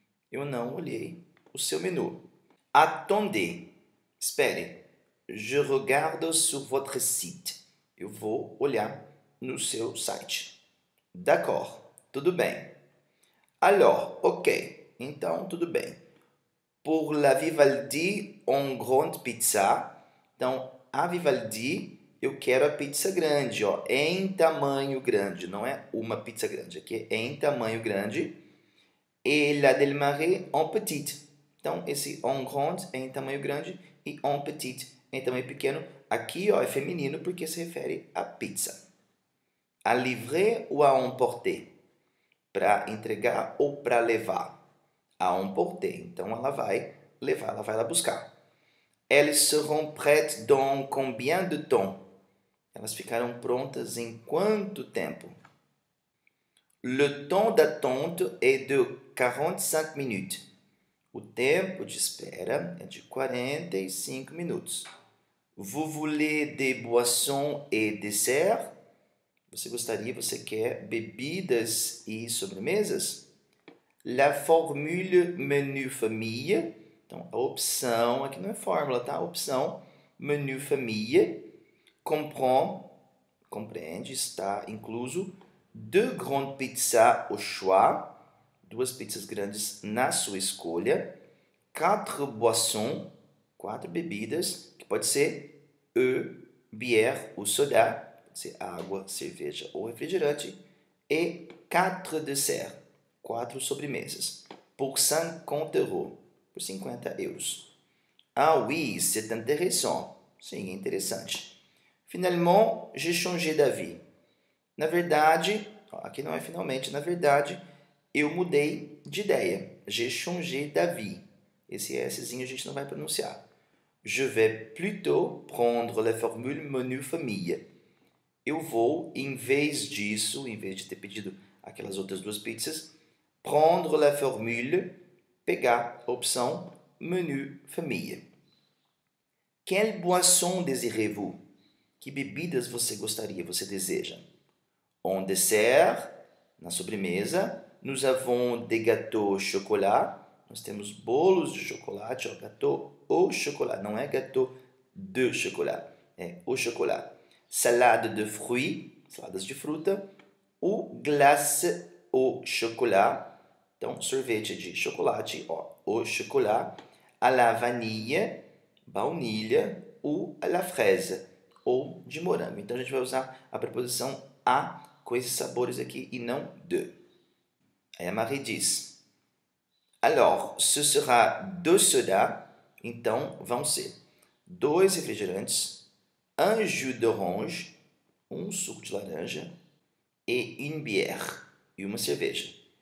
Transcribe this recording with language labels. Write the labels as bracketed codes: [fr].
[pt] Eu não olhei o seu menu. [fr] Attendez, [pt] espere, [fr] je regarde sur votre site. [pt] Eu vou olhar no seu site. [fr] D'accord, [pt] tudo bem. [fr] Alors, ok, [pt] então tudo bem. [fr] Pour la Vivaldi, une grande pizza. [pt] Então, a Vivaldi, eu quero a pizza grande, ó, em tamanho grande, não é uma pizza grande, aqui é em tamanho grande. [fr] Et la del Marais, en petite. [pt] Então, esse en grande é em tamanho grande e en petite é em tamanho pequeno. Aqui, ó, é feminino porque se refere à pizza. [fr] À livrer ou à emporter? [pt] Para entregar ou para levar? [fr] À emporter. [pt] Então, ela vai levar, ela vai lá buscar. [fr] Elles seront prêtes dans combien de temps? [pt] Elas ficaram prontas em quanto tempo? [fr] Le temps d'attente est de 45 minutes. [pt] O tempo de espera é de 45 minutos. [fr] Vous voulez des boissons et desserts? [pt] Você gostaria, você quer bebidas e sobremesas? [fr] La formule menu famille. [pt] Então, a opção, aqui não é fórmula, tá? A opção menu famille. Compreende, está incluso. [fr] Deux grandes pizzas au choix. [pt] Duas pizzas grandes na sua escolha. [fr] Quatre boissons, [pt] quatro bebidas, que pode ser [fr] eau, bière ou soda, [pt] pode ser água, cerveja ou refrigerante, e [fr] quatre desserts, [pt] quatro sobremesas, [fr] pour 50 euros, [pt] por 50 euros. [fr] Ah oui, c'est intéressant. [pt] Sim, é interessante. [fr] Finalement, j'ai changé d'avis. [pt] Na verdade, aqui não é finalmente, na verdade, eu mudei de ideia. [fr] J'ai changé d'avis. [pt] Esse Szinho a gente não vai pronunciar. [fr] Je vais plutôt prendre la formule menu famille. [pt] Eu vou, em vez disso, em vez de ter pedido aquelas outras duas pizzas, [fr] prendre la formule, [pt] pegar a opção menu famille. [fr] Quelle boisson désirez-vous? [pt] Que bebidas você gostaria, você deseja? [fr] En dessert, [pt] na sobremesa, [fr] nous avons des gâteaux au chocolat. [pt] Nós temos bolos de chocolate, ó, gâteau au chocolat. Não é gâteau de chocolat, é au chocolat. [fr] Salade de fruits, [pt] saladas de fruta. O glace, o chocolate. Então, sorvete de chocolate, ó, o chocolate. [fr] A la vanille, baunilha. Ou à la fraise, [pt] ou de morango. Então, a gente vai usar a preposição a com esses sabores aqui e não de. Aí a Marie diz: [fr] Alors, ce sera deux soda. [pt] Então, vão ser dois refrigerantes, [fr] un jus d'orange, [pt] um suco de laranja, e [fr] une bière, [pt] e uma cerveja.